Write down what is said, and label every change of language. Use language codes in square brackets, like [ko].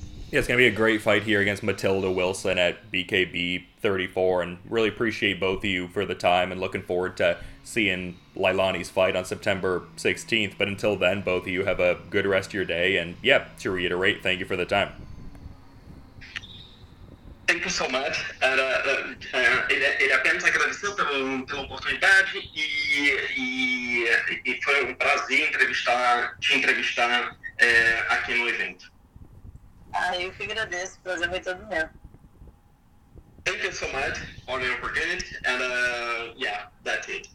[en] Yeah, it's going to be a great fight here against Matilda Wilson at BKB 34, and really appreciate both of you for the time and looking forward to seeing Leilani's fight on September 16th. But until then, both of you have a good rest of your day, and yeah, to reiterate, thank you for the time. Thank you so much. [pt] Ele apenas agradeceu pela oportunidade e foi um prazer te entrevistar aqui no evento. Ah, eu que agradeço, o prazer foi todo meu. [en] Thank you so much for the opportunity, and that's it.